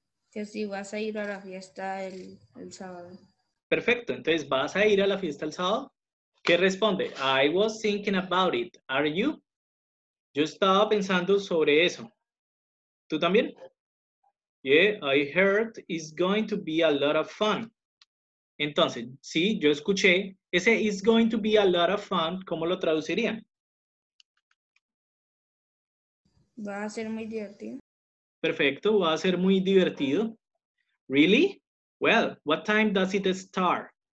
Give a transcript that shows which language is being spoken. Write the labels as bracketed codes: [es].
[es] Que si vas a ir a la fiesta el sábado. Perfecto. Entonces, ¿vas a ir a la fiesta el sábado? ¿Qué responde? [en] I was thinking about it. Are you? [es] Yo estaba pensando sobre eso. ¿Tú también? [en] Yeah, I heard it's going to be a lot of fun. [es] Entonces, sí, yo escuché. Ese [en] it's going to be a lot of fun, [es] ¿cómo lo traducirían? Va a ser muy divertido. Perfecto, va a ser muy divertido. [en] Really? Well, what time does it start?